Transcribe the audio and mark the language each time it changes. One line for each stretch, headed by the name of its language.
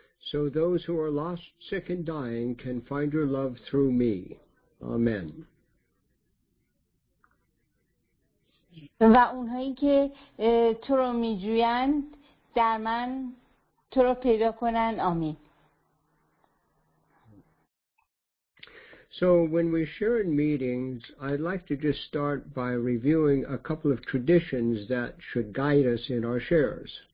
English: So those who are lost, sick and dying can find your love through me. Amen.
Persian: و اونهایی که تو رو میجویند در من تو رو پیدا کنن. آمین.
English: So when we share in meetings, I'd like to just start by reviewing a couple of traditions that should guide us in our shares.